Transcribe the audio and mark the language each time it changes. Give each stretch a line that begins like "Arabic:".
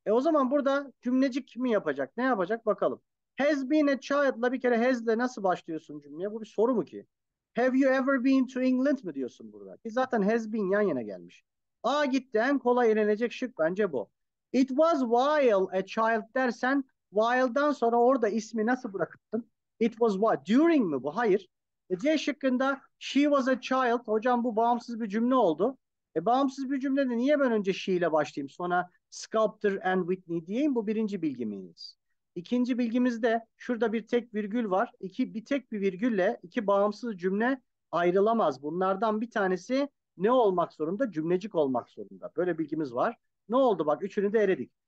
Turkish: O zaman burada cümlecik mi yapacak? Ne yapacak bakalım. Has been a child'la bir kere has'le nasıl başlıyorsun cümleye? Bu bir soru mu ki?
English: Have you ever been to England
Turkish: mı diyorsun burada? Ki zaten has been yan yana gelmiş. A gitti, en kolay elenecek şık bence bu.
English: It was while a child
Turkish: dersen, while'dan sonra orada ismi nasıl bırakırsın? It was while. During mi bu? Hayır. C şıkkında
English: she was a child.
Turkish: Hocam bu bağımsız bir cümle oldu. Bağımsız bir cümlede niye ben önce she ile başlayayım sonra Sculptor and Whitney diyeyim? Bu birinci bilgimiz. İkinci bilgimiz de şurada bir tek virgül var. Bir virgülle iki bağımsız cümle ayrılamaz. Bunlardan bir tanesi ne olmak zorunda? Cümlecik olmak zorunda. Böyle bilgimiz var. Ne oldu? Bak, üçünü de eledik.